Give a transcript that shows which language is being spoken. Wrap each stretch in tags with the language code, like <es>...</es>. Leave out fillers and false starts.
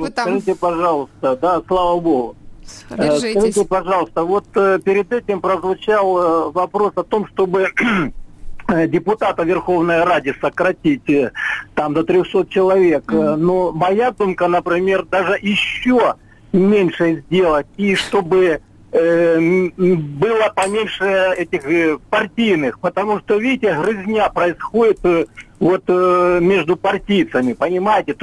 <ru>Скажіть, пожалуйста, да, слава Богу. Держитесь.</ru> <uk>Скажіть, пожалуйста, от перед цим прозвучав</uk> <ru>вопрос о том,</ru> <uk>щоб депутата Верховної Ради сократити там до 300 чоловік. Ну, моя думка, наприклад, навіть ще меньше</uk> <ru>сделать, и чтобы было поменьше этих партийных, потому что, видите, грызня происходит вот между партийцами, понимаете?</ru>